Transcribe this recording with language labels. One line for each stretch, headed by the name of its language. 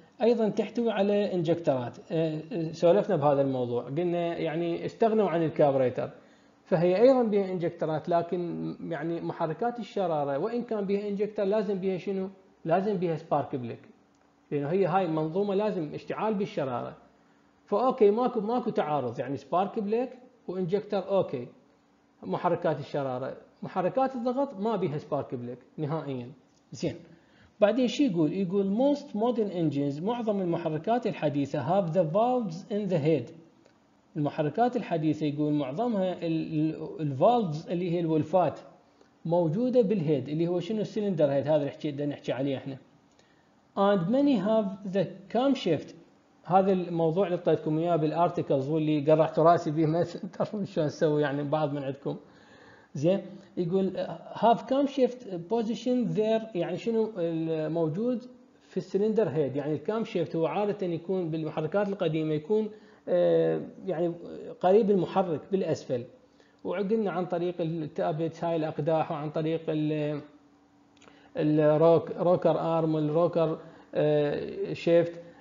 Arabic: ايضا تحتوي على انجكترات. سولفنا بهذا الموضوع، قلنا يعني استغنوا عن الكابريتر، فهي ايضا بها انجكترات، لكن يعني محركات الشراره وان كان بها انجكتر لازم بها شنو؟ لازم بها سبارك بليك، لانه هي هاي منظومه لازم اشتعال بالشراره. فاوكي ماكو تعارض، يعني سبارك بليك وانجكتر اوكي محركات الشراره، محركات الضغط ما بها سبارك بليك نهائيا. زين، بعدين شو يقول؟ يقول
English: most modern engines،
Arabic: معظم المحركات الحديثة
English: have the valves in the head.
Arabic: المحركات الحديثة يقول معظمها ال valves اللي هي الولفات موجودة بالهيد، اللي هو شنو؟ السيلندر هيد، هذا اللي بدنا نحكي عليه احنا.
English: And many have the camshaft.
Arabic: هذا الموضوع اللي اعطيتكم اياه بالارتكلز واللي قرحت راسي بيه، ما تعرفون شلون نسوي يعني بعض من عندكم. زين، يقول
English: have camshaft position there،
Arabic: يعني شنو الموجود في السلندر هيد؟ يعني الكامشيفت هو عادة يكون بالمحركات القديمة يكون يعني قريب المحرك بالأسفل، وعقلنا عن طريق التابت هاي الأقداح، وعن طريق الروكر آرم والروكر شيفت.